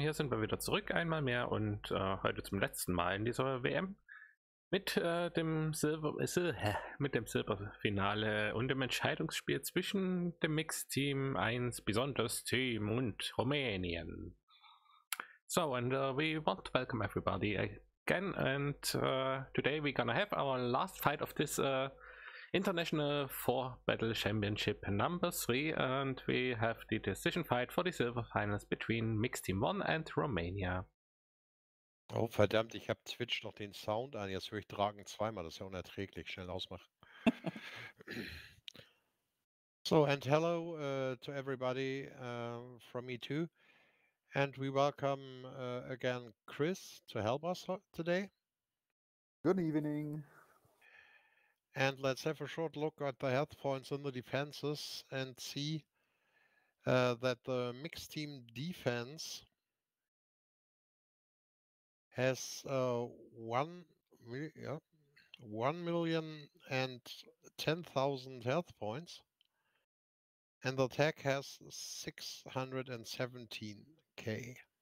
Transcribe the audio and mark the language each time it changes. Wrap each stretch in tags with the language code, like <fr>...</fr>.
<de>Hier sind wir wieder zurück einmal mehr und heute zum letzten Mal in dieser WM mit dem Silber, mit dem Silberfinale und dem Entscheidungsspiel zwischen dem Mixteam 1, besonders Team und Rumänien.</de> <en>So, and we want to welcome everybody again, and today we're gonna have our last fight of this International 4 Battle Championship Number 3, and we have the decision fight for the Silver Finals between Mixed Team 1 and Romania.</en> <de>Oh verdammt, ich habe Twitch noch den Sound an, jetzt höre ich Dragen zweimal, das ist ja unerträglich, schnell ausmachen.</de> <en>So, and hello to everybody from me too, and we welcome again Chris to help us today. Good evening. And let's have a short look at the health points in the defenses and see that the mixed team defense has 1,010,000 health points, and the attack has 617k.</en>